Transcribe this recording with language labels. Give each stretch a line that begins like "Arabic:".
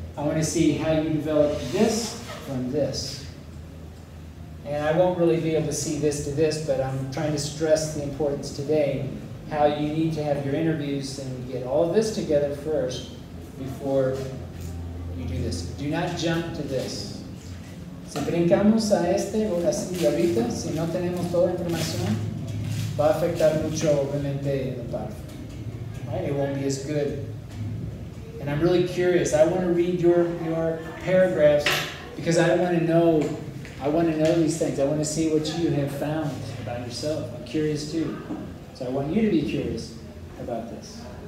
English: I want to see how you developed this from this. And I won't really be able to see this to this, but I'm trying to stress the importance today, how you need to have your interviews and get all of this together first before you do this. Do not jump to this.
Spanish: Si brincamos a este o así ahorita, si no tenemos toda la información, va a afectar mucho obviamente la parte.
English: It won't be as good. And I'm really curious. I want to read your paragraphs because I want to know these things. I want to see what you have found about yourself. I'm curious too. So I want you to be curious about this.